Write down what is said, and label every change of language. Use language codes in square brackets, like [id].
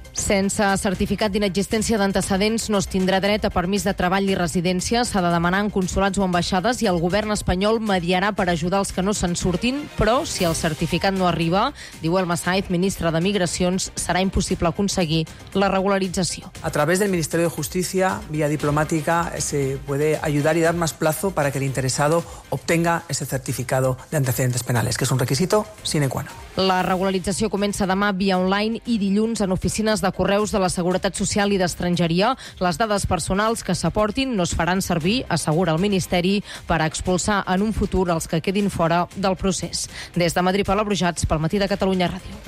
[ca] Sense certificat d'inexistència d'antecedents no es tindrà dret a permís de treball i residència. S'ha de demanar en consolats o ambaixades i el govern espanyol mediarà per ajudar els que no se'n surtin, però si el certificat no arriba, diu Elma Saiz, ministre de Migracions, serà impossible aconseguir la regularització. [es] A través del Ministerio de Justicia, vía diplomática, se puede ayudar y dar más plazo para que el interesado obtenga ese certificado de antecedentes penales, que es un requisito sine qua non. [ca] La regularització comença demà via online i dilluns en oficines de correus de la Seguretat Social i d'Estrangeria. Les dades personals que s'aportin no es faran servir, assegura el Ministeri, per expulsar en un futur els que quedin fora del procés. Des de Madrid, Palabrujats, pel Matí de Catalunya Ràdio.